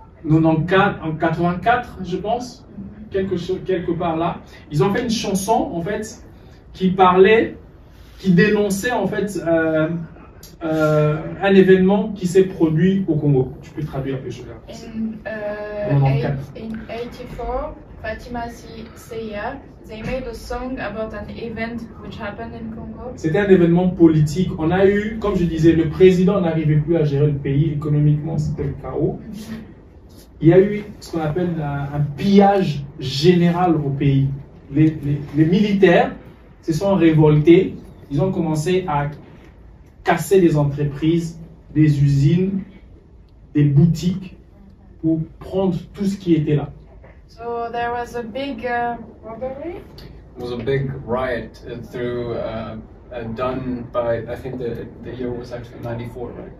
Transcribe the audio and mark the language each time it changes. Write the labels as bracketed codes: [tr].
[fr] En 84, je pense, quelque part là. Ils ont fait une chanson, en fait, qui dénonçait, en fait, un événement qui s'est produit au Congo. Tu peux traduire, je vais [en] en 84, Fatima Seyel, they made a song about an event which happened in Congo. [fr] C'était un événement politique. On a eu, comme je disais, le président n'arrivait plus à gérer le pays. Économiquement, c'était le chaos. Mm-hmm. Il y a eu ce qu'on appelle un pillage général au pays. Les militaires se sont révoltés. Ils ont commencé à casser des entreprises, des usines, des boutiques pour prendre tout ce qui était là. [en] So there was a big robbery. It was a big riot through done by, I think the year was actually 94, right?